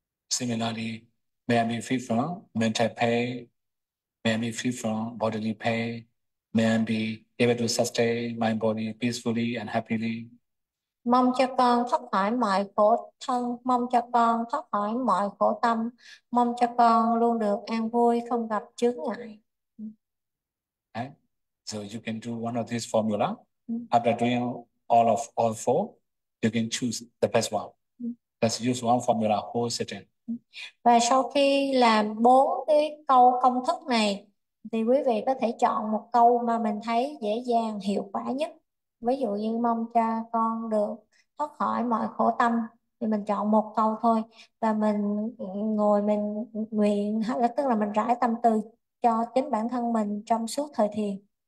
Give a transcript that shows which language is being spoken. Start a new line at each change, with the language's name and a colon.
English: Similarly, may I be free from mental pain, may I be free from bodily pain, may I be able to sustain my body peacefully and happily.
Vietnamese: Mong cho con thoát khỏi mọi khổ thân, mong cho con thoát khỏi mọi khổ tâm, mong cho con luôn được an vui, không gặp chướng ngại.
English: So you can do one of these formula. After doing all four, you can choose the best one. Let's use one formula whole sitting.
Vietnamese: Và sau khi làm bốn cái câu công thức này thì quý vị có thể chọn một câu mà mình thấy dễ dàng hiệu quả nhất. Ví dụ như mong cho con được thoát khỏi mọi khổ tâm thì mình chọn một câu thôi và mình ngồi mình nguyện, tức là mình rải tâm từ cho chính bản thân mình trong suốt thời thiền.